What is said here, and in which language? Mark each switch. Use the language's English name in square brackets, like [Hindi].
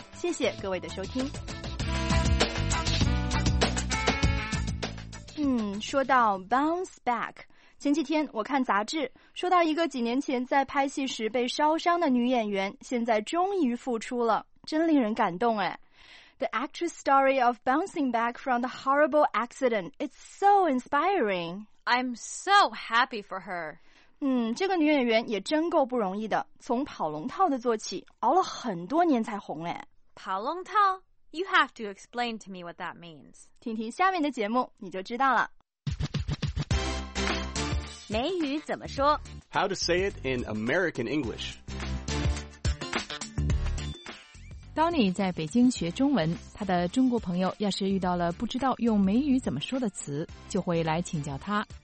[Chinese] 谢谢各位的收听。说到 bounce back， 前几天我看杂志，说到一个几年前在拍戏时被烧伤的女演员，现在终于复出了，真令人感动哎。 [English] The actress story of bouncing back from the horrible accident. It's so inspiring. I'm so happy for her. [Chinese] 这个女演员也真够不容易的，从跑龙套的做起，熬了很多年才红哎。 [English] 跑龙套 ？You have to explain to me what that means. [Chinese] 听听下面的节目，你就知道了。美语怎么说 [English] ？How to say it in American English？ [Chinese] 当你在北京学中文，他的中国朋友要是遇到了不知道用美语怎么说的词，就会来请教他。